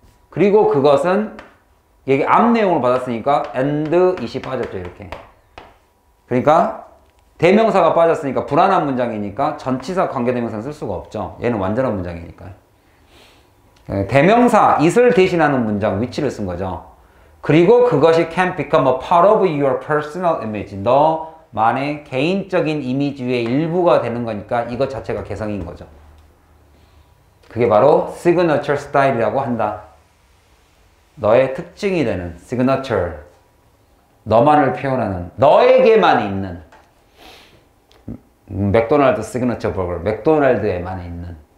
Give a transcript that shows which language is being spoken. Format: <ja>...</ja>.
<ko>그리고 그것은 이게 앞 내용을 받았으니까</ko> <en>and it</en> <ko>이 빠졌죠. 이렇게. 그러니까 대명사가 빠졌으니까 불안한 문장이니까 전치사 관계대명사는 쓸 수가 없죠. 얘는 완전한 문장이니까. 대명사, it을 대신하는 문장, which를 쓴 거죠. 그리고 그것이</ko> <en>can become a part of your personal image.</en> <ko>너만의 개인적인 이미지의 일부가 되는 거니까 이것 자체가 개성인 거죠. 그게 바로 signature style이라고 한다. 너의 특징이 되는 signature. 너만을 표현하는, 너에게만 있는. 맥도날드 시그니처 버거, 맥도날드에만 있는.</ko>